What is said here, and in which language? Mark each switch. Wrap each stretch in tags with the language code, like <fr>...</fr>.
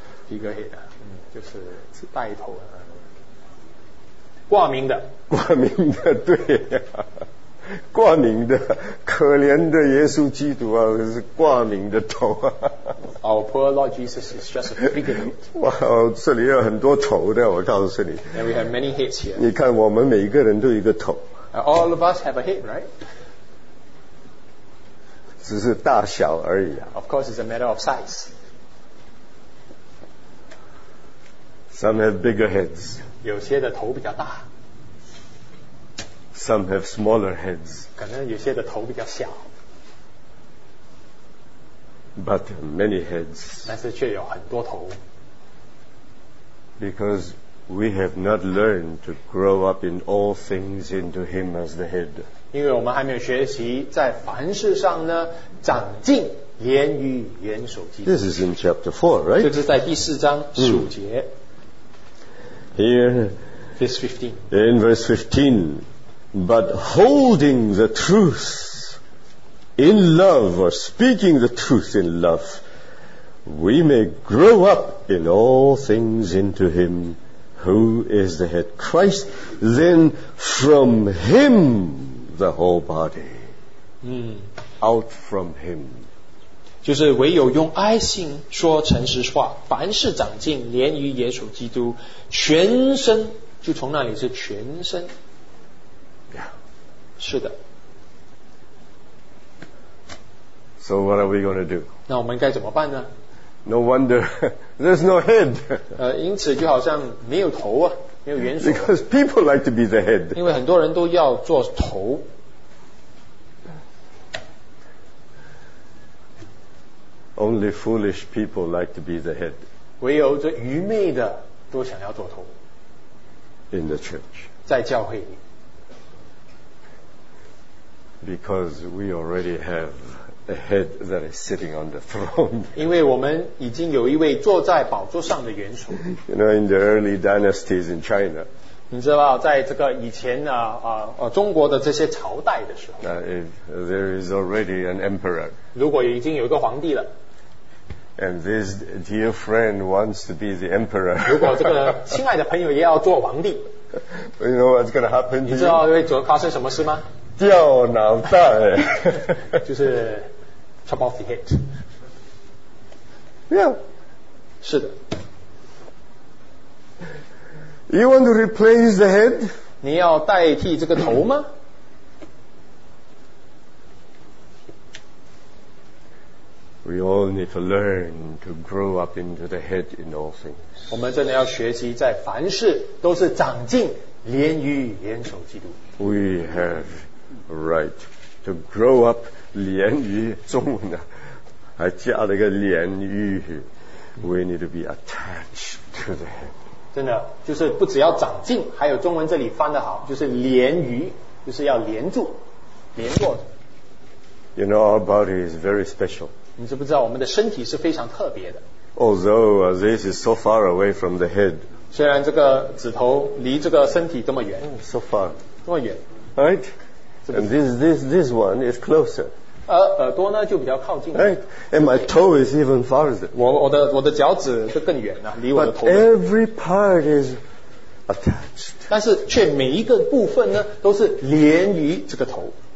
<zh>Figurehead, 就是带头的。挂名的，挂名的，对、啊，挂名的，可怜的耶稣基督啊，是挂名的头啊。</zh> <en>Our poor Lord Jesus is just a figurehead.</en> <zh>哇，这里有很多头的，我告诉你。</zh> <en>And we have many heads here.</en> <zh>你看，我们每一个人都有一个头。</zh> <en>All of us have a head, right?</en> <zh>只是大小而已啊。</zh> <en>Of course, it's a matter of size. Some have bigger heads.</en> <zh>有些的头比较大。</zh> <en>Some have smaller heads.</en> <zh>可能有些的头比较小。</zh> <en>But many heads.</en> <zh>但是却有很多头。</zh> <en>Because we have not learned to grow up in all things into Him as the head.</en> <zh>因为我们还没有学习在凡事上呢长进，连于元首基督。</zh> <en>This is in chapter 4, right?</en> <zh>就是在第四章属节。</zh> <en>Here, in verse 15, but holding the truth in love, or speaking the truth in love, we may grow up in all things into Him who is the head, Christ, then from Him the whole body, out from Him.</en> <zh>就是唯有用爱心说诚实话，凡事长进，连于耶稣基督，全身就从那里是全身。</zh> <en>Yeah.</en> <zh>是的。</zh> <en>So what are we going to do?</en> <zh>那我们该怎么办呢？</zh> <en>No wonder there's no head.</en> <zh>因此就好像没有头啊，没有元首。</zh> <en>Because people like to be the head.</en> <zh>因为很多人都要做头。</zh> <en>Only foolish people like to be the head.</en> <zh>唯有这愚昧的都想要做头。</zh> <en>In the church.</en> <zh>在教会里。</zh> <en>Because we already have a head that is sitting on the throne.</en> <zh>因为我们已经有一位坐在宝座上的元首。</zh> <en>You know, in the early dynasties in China.</en> <zh>你知道，在这个以前中国的这些朝代的时候。</zh> <en>If there is already an emperor.</en> <zh>如果已经有一个皇帝了。</zh> <en>And this dear friend wants to be the emperor.</en> <zh>如果这个亲爱的朋友也要做皇帝。</zh> <en>You know what's going to happen to you?</en> <zh>你知道会发生什么事吗？掉脑袋。就是</zh> <en>chop off the head. Yeah.</en> <zh>是的。</zh> <en>You want to replace the head?</en> <zh>你要代替这个头吗？</zh> <en>We all need to learn to grow up into the head in all things.</en> <zh>我们真的要学习在凡事都是长进，连于元首基督。</zh> <en>We have right to grow up,</en> <zh>连于中文啊，还加了一个连于。</zh> <en>We need to be attached to the head.</en> <zh>真的，就是不只要长进，还有中文这里翻得好，就是连于，就是要连住，连过。</zh> <en>You know, our body is very special.</en> <zh>你知不知道我们的身体是非常特别的？</zh> <en>Although this is so far away from the head.</en> <zh>虽然这个指头离这个身体这么远。</zh> <en>So far.</en> <zh>这么远。</zh> <en>Right?</en> <zh>是不是？</zh> <en>And this one is closer.</en> <zh>耳朵呢就比较靠近。</zh> <en>Right? And my toe is even farther.</en> <zh>我的脚趾就更远了，离我的头。</zh> <en>But every part is attached.</en> <zh>但是却每一个部分呢都是连于这个头。</zh>